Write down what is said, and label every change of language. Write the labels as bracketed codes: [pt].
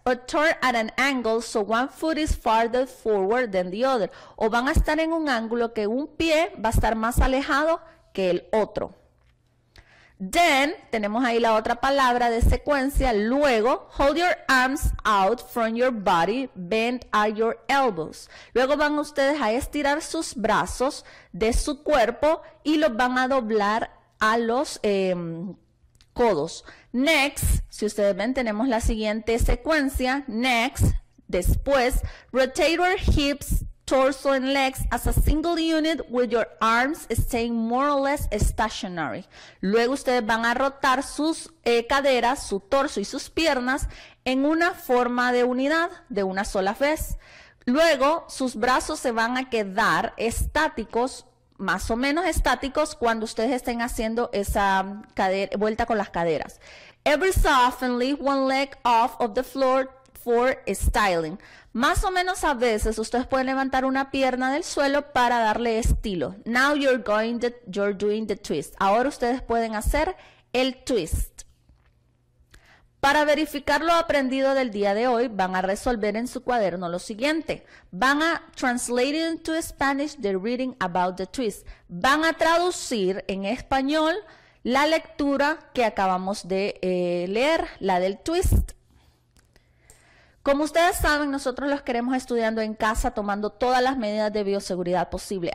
[en] Or turn at an angle so one foot is farther forward than the other. [es] O van a estar en un ángulo que un pie va a estar más alejado que el otro. Then, tenemos ahí la otra palabra de secuencia. [en] Luego, hold your arms out from your body, bend at your elbows. [es] Luego van ustedes a estirar sus brazos de su cuerpo y los van a doblar a los codos. Next, si ustedes ven, tenemos la siguiente secuencia. [en] Next, después, rotate your hips, torso and legs as a single unit with your arms staying more or less stationary. [es] Luego ustedes van a rotar sus caderas, su torso y sus piernas en una forma de unidad de una sola vez. Luego sus brazos se van a quedar estáticos, más o menos estáticos cuando ustedes estén haciendo esa vuelta con las caderas. [en] Every so often lift one leg off of the floor for styling. [es] Más o menos a veces ustedes pueden levantar una pierna del suelo para darle estilo. [en] Now you're doing the twist. [es] Ahora ustedes pueden hacer el twist. Para verificar lo aprendido del día de hoy, van a resolver en su cuaderno lo siguiente. Van a [en] translate into Spanish the reading about the twist. [es] Van a traducir en español la lectura que acabamos de leer, la del twist. Como ustedes saben, nosotros los queremos estudiando en casa, tomando todas las medidas de bioseguridad posible.